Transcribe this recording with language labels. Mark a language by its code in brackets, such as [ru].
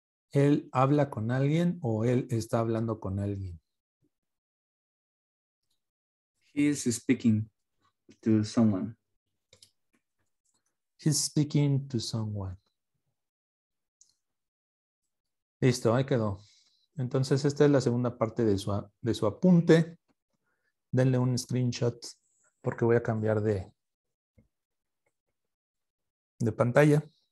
[es] ¿Él habla con alguien o él está hablando con alguien? [en] He is speaking to someone. He's speaking to someone. [es] Listo, ahí quedó. Entonces, esta es la segunda parte de su apunte. Denle un screenshot porque voy a cambiar de pantalla.